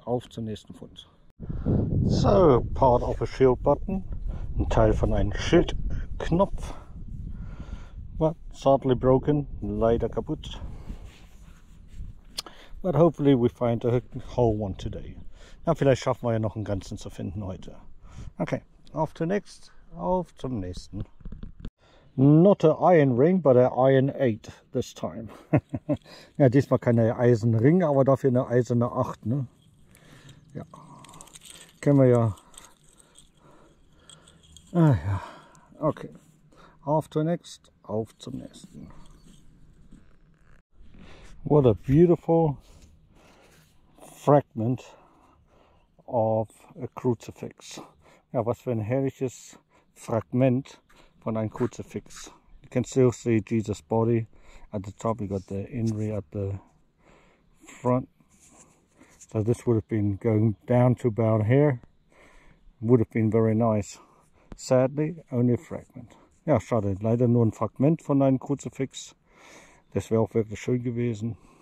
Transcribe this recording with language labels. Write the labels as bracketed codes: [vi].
[de] Auf zum nächsten Fund. [en] So, part of a shield button. [de] Ein Teil von einem Schildknopf. [en] But sadly broken. [de] Leider kaputt. [en] But hopefully we find a whole one today. [de] Na, vielleicht schaffen wir ja noch einen ganzen zu finden heute. [en] Okay, off to next, [de] auf zum nächsten. [en] Not an iron ring, but an iron 8 this time. [de] Ja, diesmal keine Eisenring, aber dafür eine eiserne 8, ne? Ja, können wir ja. Ah ja, okay. [en] Off to next, [de] auf zum nächsten. [en] What a beautiful fragment of a crucifix. [de] Ja, was für ein herrliches Fragment von einem Kruzifix. [en] You can still see Jesus' body at the top. You got the inri at the front. So this would have been going down to about here. Would have been very nice. Sadly, only a fragment. [de] Ja, schade. Leider nur ein Fragment von einem Kruzifix. Das wäre auch wirklich schön gewesen.